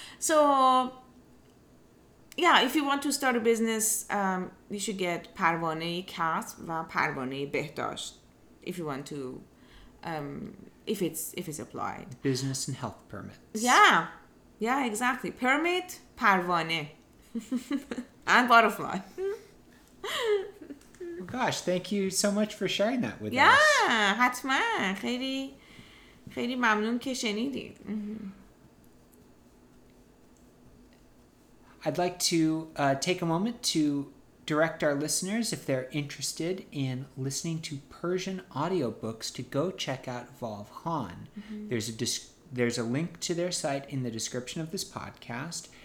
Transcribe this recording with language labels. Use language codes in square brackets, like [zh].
[en] So, yeah, if you want to start a business, you should get [fa] Parvane Kasb va Parvane Behdasht, [en] if you want to, if it's applied. Business and health permits. Yeah. Yeah, exactly. Permit, Parvane. And butterfly. Gosh, thank you so much for sharing that with us. Yeah, [fa] حتما. خیلی خیلی ممنون که شنیدید. [en] I'd like to take a moment to direct our listeners, if they're interested in listening to Persian audiobooks, to go check out Volv Han. Mm-hmm. There's a link to their site in the description of this podcast.